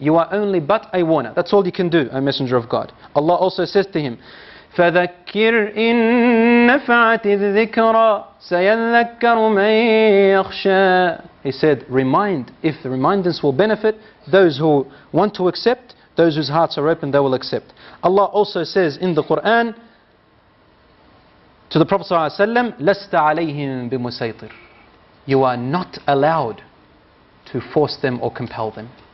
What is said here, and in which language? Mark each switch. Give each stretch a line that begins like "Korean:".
English: You are only but a warner. That's all you can do, O Messenger of God. Allah also says to him,
Arabic: فَذَكِّرْ إِن نَفَعَتِ الذِّكْرَى سَيَذَّكَّرُ مَنْ يَخْشَى.
English: He said, remind, if the remindrance will benefit, those who want to accept, those whose hearts are open, they will accept. Allah also says in the Quran to the Prophet ﷺ,
Arabic: لَسْتَ عَلَيْهِمْ بِمُسَيْطِرٍ.
English: You are not allowed to force them or compel them.